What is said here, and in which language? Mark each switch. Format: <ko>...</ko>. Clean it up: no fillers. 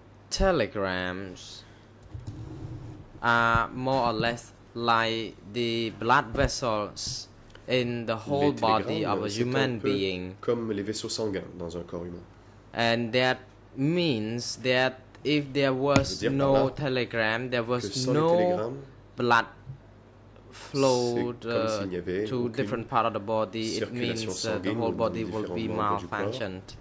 <en>Telegrams are more or less like the blood vessels in the whole body of a human being.</en> <fr>Comme les vaisseaux sanguins dans un corps humain.</fr> <en>And that means that if there was no telegram, there was no blood flowed to different part of the body, it means the whole body will be malfunctioned.</en>